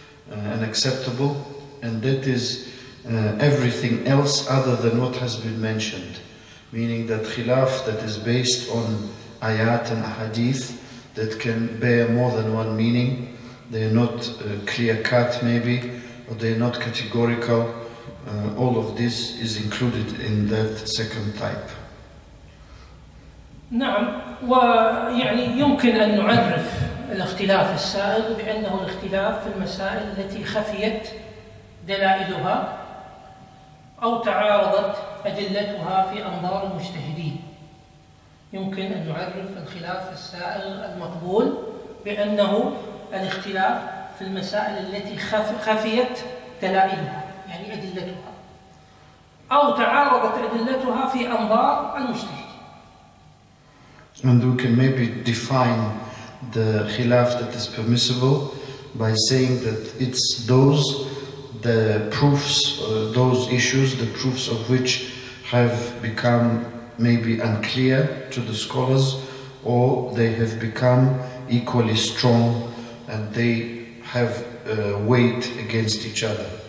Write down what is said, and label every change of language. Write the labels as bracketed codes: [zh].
[en] and acceptable, and that is everything else other than what has been mentioned, meaning that khilaf that is based on ayat and hadith that can bear more than one meaning, they are not clear-cut maybe, or they are not categorical, all of this is included in that second type. [ar] نعم ويعني يمكن أن نعرف الاختلاف السائغ بأنه الاختلاف في المسائل التي خفيت دلائلها أو تعارضت أدلتها في أنظار المجتهدين يمكن أن نعرف الخلاف السائغ المقبول بأنه الاختلاف في المسائل التي خفيت دلائلها يعني أدلتها أو تعارضت أدلتها في أنظار المجتهدين. [en] And we can maybe define the khilaf that is permissible by saying that it's those, the proofs, those issues, the proofs of which have become maybe unclear to the scholars, or they have become equally strong and they have weight against each other.